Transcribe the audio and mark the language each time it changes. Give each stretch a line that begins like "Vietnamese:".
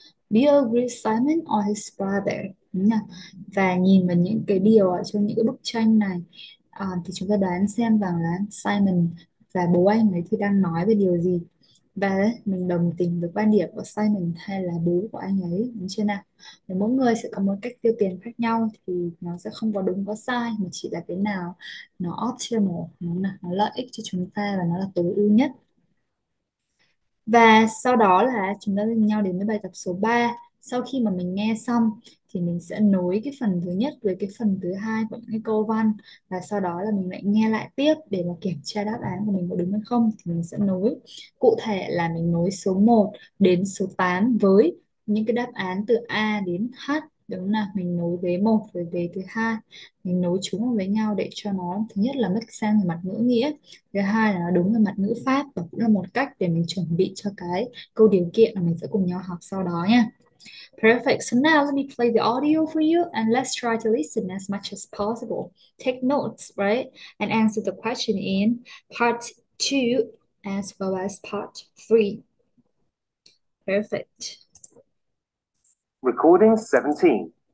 English: Do you agree with Simon or his brother?
Vietnamese: Và nhìn vào những cái điều ở trong những cái bức tranh này, thì chúng ta đoán xem rằng là Simon và bố anh ấy thì đang nói về điều gì. Và mình đồng tình với quan điểm của Simon hay là bố của anh ấy, đúng chưa nào? Và mỗi người sẽ có một cách tiêu tiền khác nhau thì nó sẽ không có đúng có sai, mà chỉ là cái nào nó optimal, nó lợi ích cho chúng ta và nó là tối ưu nhất. Và sau đó là chúng ta cùng nhau đến với bài tập số 3. Sau khi mà mình nghe xong thì mình sẽ nối cái phần thứ nhất với cái phần thứ hai của cái câu văn, và sau đó là mình lại nghe lại tiếp để mà kiểm tra đáp án của mình có đúng hay không. Thì mình sẽ nối, cụ thể là mình nối số 1 đến số 8 với những cái đáp án từ A đến H, đúng không nào? Mình nối vế 1 với vế thứ hai, mình nối chúng với nhau để cho nó, thứ nhất là
English: make sense
Vietnamese: về mặt ngữ nghĩa, thứ hai là nó đúng về mặt ngữ pháp, và cũng là một cách để mình chuẩn bị cho cái câu điều kiện mà mình sẽ cùng nhau học sau đó nha.
English: Perfect. So now let me play the audio for you and let's try to listen as much as possible. Take notes, right? And answer the question in part 2 as well as part 3. Perfect. Recording 17.